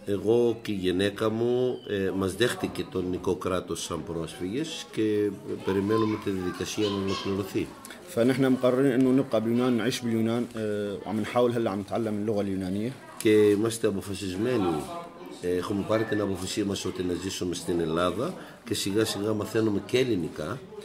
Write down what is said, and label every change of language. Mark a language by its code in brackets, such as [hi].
[el] εγώ και η γυναίκα μου μας δέχτηκε το ελληνικό κράτος σαν πρόσφυγες και περιμένουμε τη διαδικασία να ολοκληρωθεί. [ar] فنحن مقررين إنه نبقى باليونان، نعيش باليونان، وعم نحاول هلا عم نتعلم اللغة اليونانية. [el] και είμαστε αποφασισμένοι. Έχουμε πάρει την αποφασία μας ότι να ζήσουμε στην Ελλάδα και σιγά σιγά μαθαίνουμε και ελληνικά.